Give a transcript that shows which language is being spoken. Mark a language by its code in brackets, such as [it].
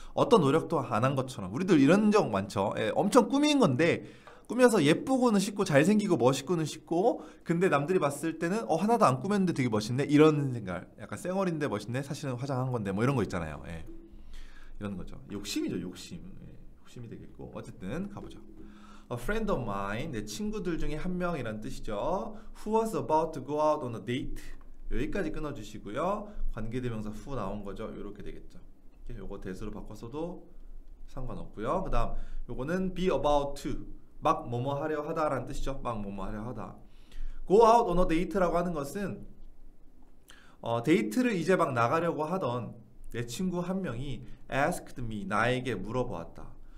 [ko] 어떤 노력도 안한 것처럼. 우리들 이런 적 많죠. 네, 엄청 꾸민 건데, 꾸며서 예쁘고는 싶고, 잘생기고, 멋있고는 싶고, 근데 남들이 봤을 때는, 하나도 안 꾸몄는데 되게 멋있네. 이런 생각. 약간 쌩얼인데 멋있네. 사실은 화장한 건데, 뭐 이런 거 있잖아요. 네. 이런 거죠. 욕심이죠, 욕심. 욕심이 되겠고 어쨌든 가보죠. [en] A friend of mine, [ko] 내 친구들 중에 한 명이란 뜻이죠. [en] Who was about to go out on a date? [ko] 여기까지 끊어주시고요. 관계대명사 who 나온 거죠. 이렇게 되겠죠. 요거 대수로 바꿔서도 상관없고요. 그다음 요거는 be about to 막 뭐뭐 하려 하다라는 뜻이죠. 막 뭐뭐 하려 하다. [en] Go out on a date [ko] 라고 하는 것은 데이트를 이제 막 나가려고 하던 내 친구 한 명이 [en] asked me [ko] 나에게 물어보았다.